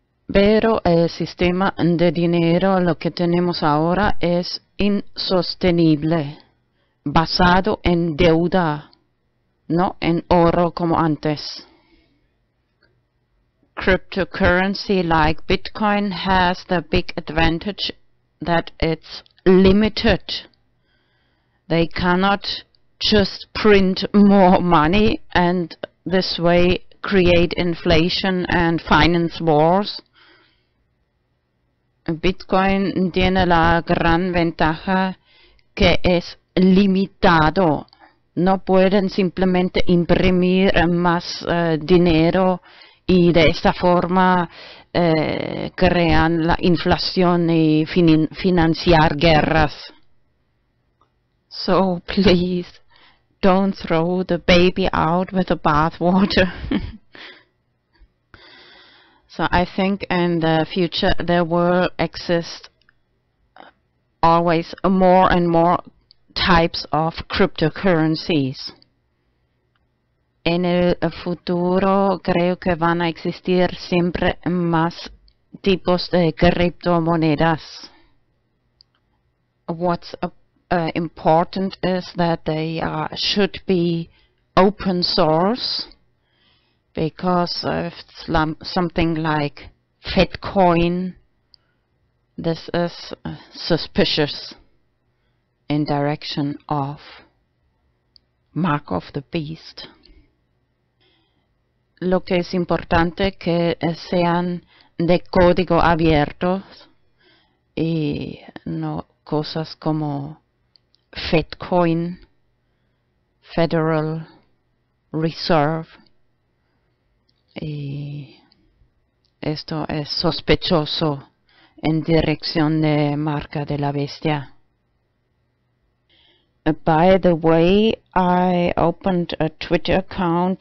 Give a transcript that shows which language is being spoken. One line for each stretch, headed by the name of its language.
Spanish: Pero el sistema de dinero, lo que tenemos ahora, es insostenible, basado en deuda, no en oro como antes.
English: Cryptocurrency like Bitcoin has the big advantage that it's limited. They cannot just print more money and this way create inflation and finance wars.
Spanish: Bitcoin tiene la gran ventaja que es limitado. No pueden simplemente imprimir más dinero y de esta forma crean la inflación y financiar guerras.
English: So please, don't throw the baby out with the bathwater. So I think in the future there will exist always more and more types of cryptocurrencies.
Spanish: En el futuro creo que van a existir siempre más tipos de criptomonedas.
English: What's important is that they should be open source, because if it's something like Bitcoin, this is suspicious in direction of Mark of the Beast.
Spanish: Lo que es importante que sean de código abierto y no cosas como Bitcoin, Federal Reserve, y esto es sospechoso en dirección de Marca de la Bestia.
English: By the way, I opened a Twitter account.